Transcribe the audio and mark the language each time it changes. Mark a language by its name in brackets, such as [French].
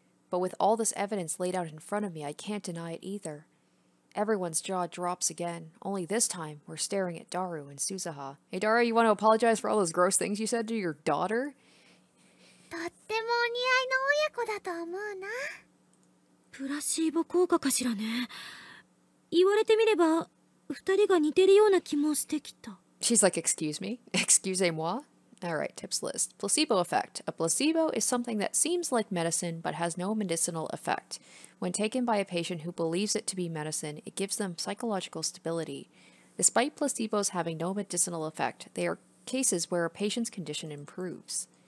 [English] But with all this evidence laid out in front of me, I can't deny it either. Everyone's jaw drops again. Only this time, we're staring at Daru and Suzuha. Hey, Daru, you want to apologize for all those gross things you said to your daughter? [Japanese] とってもお似合いの親子だと思うな。プラシーボ効果かしらね。言われてみれば、二人が似てるような気もしてきた。 [English] She's like, excuse me? [French] Excusez-moi? [English] Alright, tips list. Placebo effect. A placebo is something that seems like medicine, but has no medicinal effect. When taken by a patient who believes it to be medicine, it gives them psychological stability. Despite placebos having no medicinal effect, they are cases where a patient's condition improves.